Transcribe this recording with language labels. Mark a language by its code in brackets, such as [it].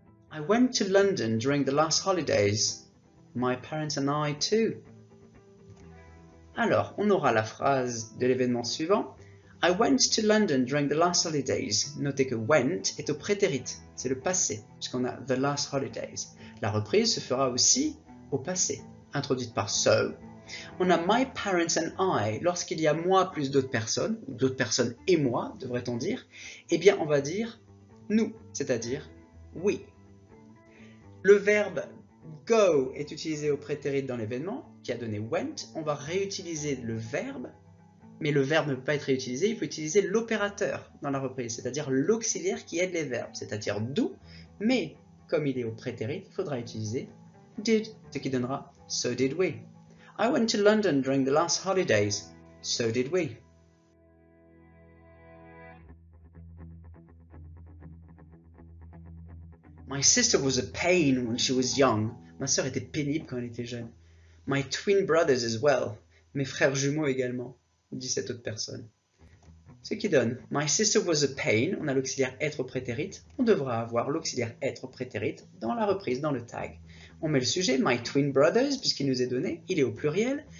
[en] I went to London during the last holidays. My parents and I too. [fr] Alors, on aura la phrase de l'événement suivant. [en] I went to London during the last holidays. [fr] Notez que went est au prétérit, c'est le passé, puisqu'on a [en] the last holidays. [fr] La reprise se fera aussi au passé, introduite par so. On a [en] my parents and I. [fr] Lorsqu'il y a moi plus d'autres personnes, ou d'autres personnes et moi, devrait-on dire, eh bien, on va dire nous, c'est-à-dire we. Le verbe go est utilisé au prétérit dans l'événement qui a donné went. On va réutiliser le verbe, mais le verbe ne peut pas être réutilisé. Il faut utiliser l'opérateur dans la reprise, c'est-à-dire l'auxiliaire qui aide les verbes, c'est-à-dire do. Mais comme il est au prétérit, il faudra utiliser did, ce qui donnera [en] so did we. I went to London during the last holidays. So did we. My sister was a pain when she was young. [fr] Ma sœur était pénible quand elle était jeune. [en] My twin brothers as well. [fr] Mes frères jumeaux également, dit cette autre personne. Ce qui donne, [en] my sister was a pain, [fr] on a l'auxiliaire être au prétérit. On devra avoir l'auxiliaire être au prétérit dans la reprise, dans le tag. On met le sujet, [en] my twin brothers, [fr] puisqu'il nous est donné, il est au pluriel.